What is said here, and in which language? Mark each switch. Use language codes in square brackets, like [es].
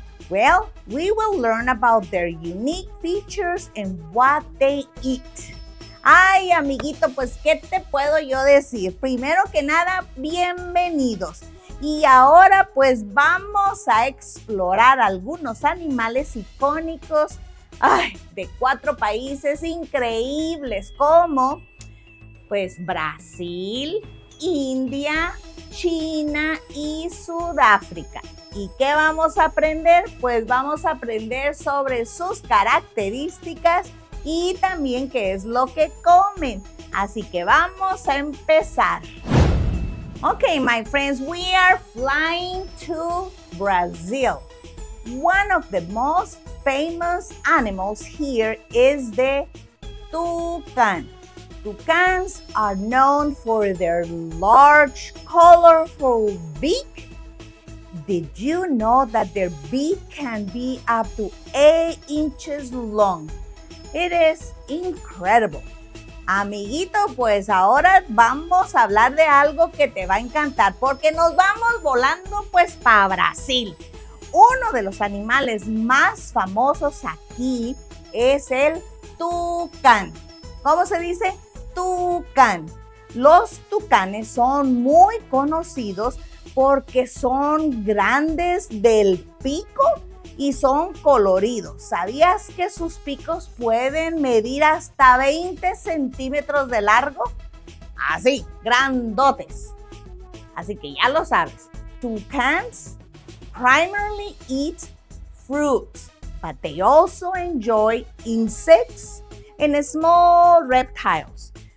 [en] Well, we will learn about their unique features and what they eat. [es] Ay, amiguito, pues, ¿qué te puedo yo decir? Primero que nada, bienvenidos. Y ahora, pues, vamos a explorar algunos animales icónicos, ay, de cuatro países increíbles como, pues, Brasil, India, China y Sudáfrica. ¿Y qué vamos a aprender? Pues, vamos a aprender sobre sus características y también qué es lo que comen. Así que vamos a empezar. [en] Okay, my friends, we are flying to Brazil. One of the most famous animals here is the toucan. Toucans are known for their large, colorful beak. Did you know that their beak can be up to 8 inches long? It is incredible. [es] Amiguito, pues ahora vamos a hablar de algo que te va a encantar porque nos vamos volando pues para Brasil. Uno de los animales más famosos aquí es el tucán. ¿Cómo se dice? Tucán. Los tucanes son muy conocidos porque son grandes del pico y son coloridos. ¿Sabías que sus picos pueden medir hasta 20 centímetros de largo? Así, grandotes. Así que ya lo sabes. [en] Toucans primarily eat fruits, but they also enjoy insects and small reptiles.